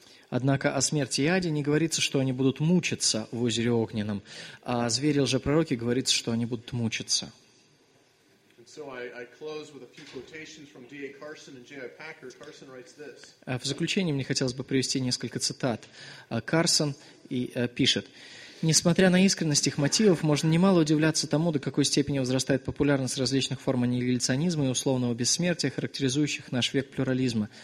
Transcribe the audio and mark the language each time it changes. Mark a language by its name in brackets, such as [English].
[Russian] Однако о смерти и аде не говорится, что они будут мучиться в озере Огненном, а о звере и лжепророке говорится, что они будут мучиться. [English] So I close with a few quotations from D.A. Carson and J.I. Packer. Carson writes this. [Russian] В заключение мне хотелось бы привести несколько цитат. Карсон пишет: несмотря на искренность их мотивов, можно немало удивляться тому, до какой степени возрастает популярность различных форм аннигиляционизма и условного бессмертия, характеризующих наш век плюрализма.